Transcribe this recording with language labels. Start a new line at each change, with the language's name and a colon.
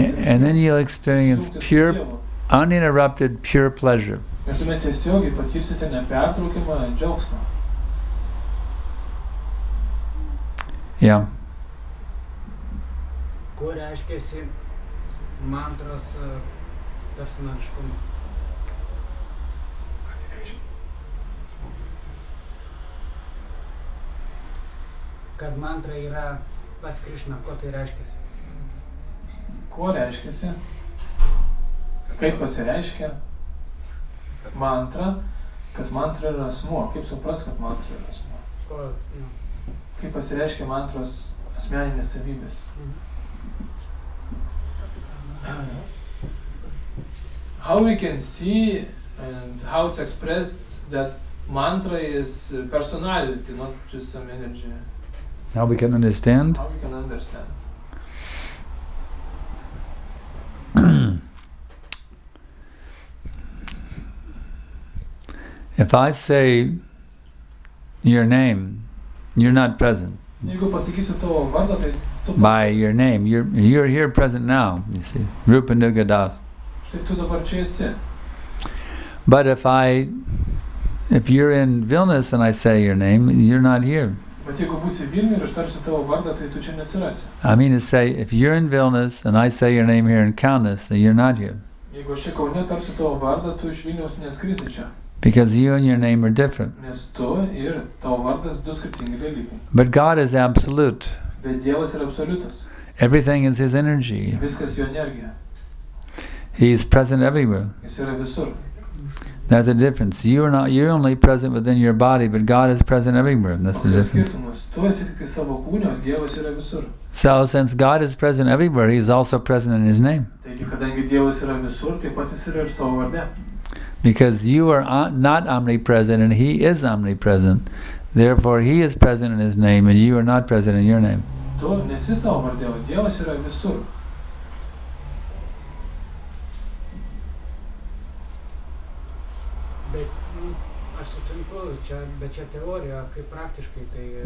English: And then you'll experience pure, uninterrupted pure pleasure.
Lithuanian: Ir tuomet tiesiogiai patirsite nepertraukimą džiaugsmą. Ja. Kuo reiškiasi mantros personališkumas? Kad mantra yra pas Krišna, kuo tai reiškiasi? Kuo reiškiasi? Kaip pasireiškia? Mantra, kad mantra yra asmuo. Kaip supras, kad mantra yra asmuo? Kaip pasireiškia mantros asmeninės savybės?
English: How we can see and how it's expressed that mantra is personality, not just some energy? How we can understand? How we can understand. If I say your name, you're not present.
Lithuanian: Jeigu pasakysiu tavo vardą, tai tu...
English: By your name, you're here present now, you see. Rupa Nuga Das.
Lithuanian: Štai tu dabar čia esi.
English: But if you're in Vilnius and I say your name, you're not here.
Lithuanian: Bet jeigu būsi Vilniuje ir aš tarsiu tavo vardą, tai tu čia nesirasi.
English: I mean to say, if you're in Vilnius and I say your name here in Kaunas, then you're not here.
Lithuanian: Jeigu aš Kaune tarsiu tavo vardą, tu iš Vilniaus neskrisi čia.
English: Because you and your name are different.
Lithuanian: Nes tu ir tavo vardas du skirtingi dalykai.
English: But God is absolute.
Lithuanian: Bet Dievas yra absoliutas.
English: Everything is His energy.
Lithuanian: Viskas jo energija.
English: He is present everywhere.
Lithuanian: Jis yra visur.
English: That's the difference. You're only present within your body, but God is present everywhere. That's the difference.
Lithuanian: Tu esi tik savo kūne, Dievas yra visur.
English: So since God is present everywhere, He is also present in His name.
Lithuanian: Taigi, kadangi Dievas yra visur, taip pat jis yra ir savo varde.
English: Because you are not omnipresent and He is omnipresent. Therefore, He is present in His name and you are not present in your name.
Lithuanian: Tu nesi savo vardė, o Dievas yra visur. Aš sutinku, bet čia teorija, kaip praktiškai tai...